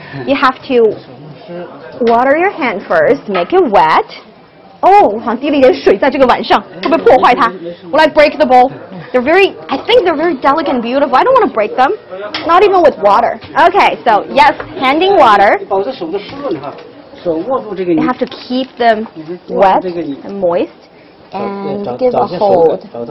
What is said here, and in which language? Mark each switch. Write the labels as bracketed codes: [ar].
[en] you have to water your hand first, make it wet. [zh] Oh, 好像滴了一点水在这个碗上，会不会破坏它? [en] Will I break the bowl? I think they're very delicate and beautiful. I don't want to break them, not even with water. Okay, so yes, handing water. You have to keep them wet and moist, and give a hold.